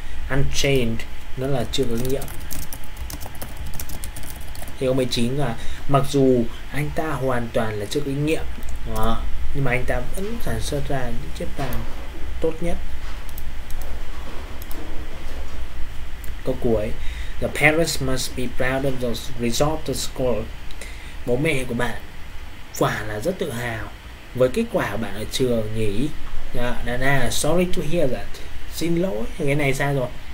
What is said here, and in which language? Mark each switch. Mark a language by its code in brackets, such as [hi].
[vi] Untrained nó là chưa có nghiệm. Thì ông 19 là mặc dù anh ta hoàn toàn là chưa có nghiệm, nhưng mà anh ta vẫn sản xuất ra những chiếc bàn tốt nhất. Câu cuối. [en] The parents must be proud of the result of the school. [vi] Bố mẹ của bạn quả là rất tự hào với kết quả của bạn ở trường nhỉ. [en] Nana, sorry to hear that. [vi] Xin lỗi, cái này sai rồi.